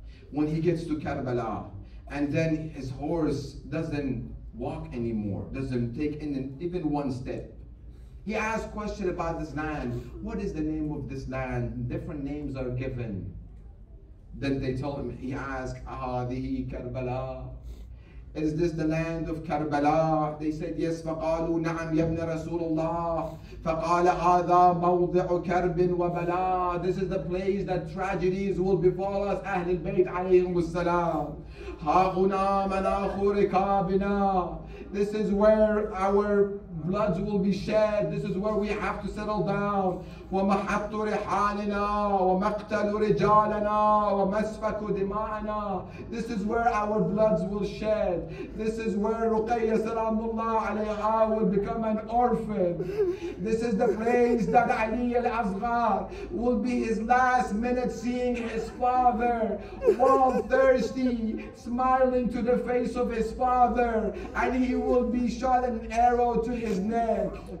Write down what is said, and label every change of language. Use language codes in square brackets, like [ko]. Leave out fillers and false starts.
[en] When he gets to Karbala, and then his horse doesn't walk anymore, doesn't take even one step. He asked question about this land. What is the name of this land? Different names are given. Then they told him, he asked, [ar] "Ahadihi Karbala? [en] Is this the land of Karbala?" They said, "Yes." [ar] فقالوا نعم يا ابن رسول الله. فقال هذا موضع كرب وبلاء. [en] This is the place that tragedies will befall us, [ar] أهل البيت عليهم السلام. ها هنا مناخ ركابنا. [en] This is where our bloods will be shed. This is where we have to settle down. [ar] ومحط رحالنا ومقتل رجالنا ومسفك دماءنا. [en] This is where our bloods will shed. This is where Ruqayya [ar] سلام الله عليها [en] will become an orphan. This is the place that Ali al-Asghar will be his last minute seeing his father, all thirsty, smiling to the face of his father, and he will be shot an arrow to his neck.